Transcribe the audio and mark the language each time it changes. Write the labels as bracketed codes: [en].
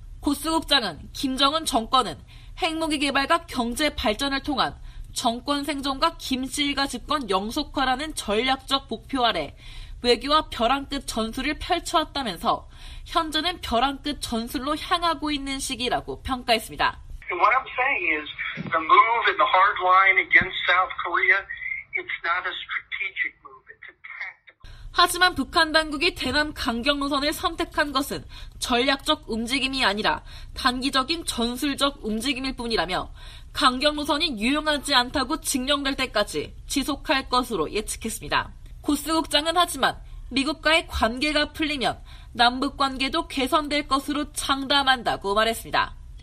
[ko] 고스 국장은 김정은 정권은 핵무기 개발과 경제 발전을 통한 정권 생존과 김씨가 집권 영속화라는 전략적 목표 아래 외교와 벼랑 끝 전술을 펼쳐왔다면서 현재는 벼랑 끝 전술로 향하고 있는 시기라고 평가했습니다. [en] What I'm saying is the move in the hard line against South Korea, it's not a strategic move, it's a tactical. [ko] 하지만 북한 당국이 대남 강경 노선을 선택한 것은 전략적 움직임이 아니라 단기적인 전술적 움직임일 뿐이라며 강경 노선이 유용하지 않다고 증명될 때까지 지속할 것으로 예측했습니다. 고스 국장은 하지만 미국과의 관계가 풀리면 남북 관계도 개선될 것으로 장담한다고 말했습니다.